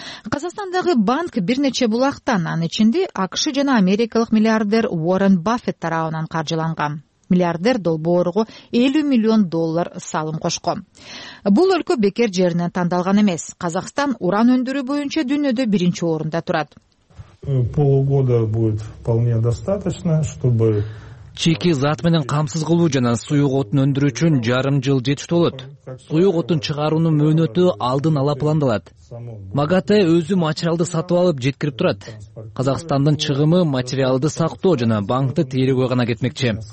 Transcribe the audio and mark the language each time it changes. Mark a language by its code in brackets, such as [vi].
[ky] Казакстандагы банк бир нече булактан, анын ичинде АКШ жана америкалык миллиардер Уоррен Баффет тарабынан каржыланган. Миллиардер долбоорго 50 миллион доллар салым кошкон. Бул өлкө бекер жеринен тандалган эмес. Казакстан уран өндүрүү боюнча дүйнөдө биринчи орунда турат. [ru] Полугода будет вполне достаточно, чтобы [ky] чеки зат менен камсыз кылуу жана суюк отун өндүрүү үчүн жарым жыл жетиштүү болот. Суюк отун чыгаруунун мөөнөтү алдын ала пландалат. МАГАТЭ өзү материалды сатып алып жеткирип турат. Казакстандын чыгымы материалды сактоо жана банкты тейлөөгө гана кетмекчи.